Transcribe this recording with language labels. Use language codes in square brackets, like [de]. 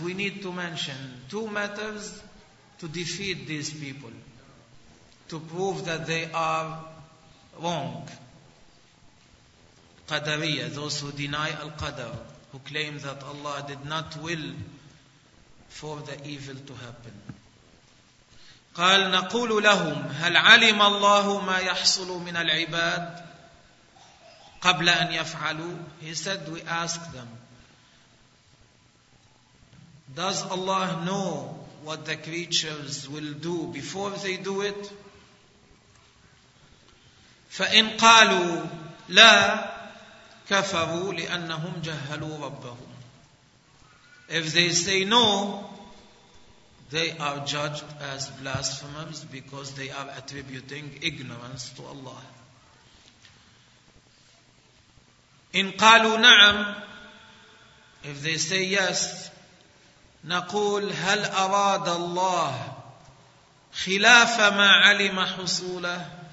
[en] We need to mention two matters to defeat these people, to prove that they are wrong. Qadariya, those who deny al-Qadr, who claim that Allah did not will for the evil to happen. [ar] قال نقول لهم هل علم الله ما يحصل من العباد قبل أن يفعلوا. [en] He said, we ask them, does Allah know what the creatures will do before they do it? [ar] فإن قالوا لا كفروا لأنهم جهلوا ربهم. [en] If they say no, they are judged as blasphemers because they are attributing ignorance to Allah. [ar] إن قالوا نعم, [en] if they say yes, [ar] نقول هل أراد الله خلاف ما علم حصوله.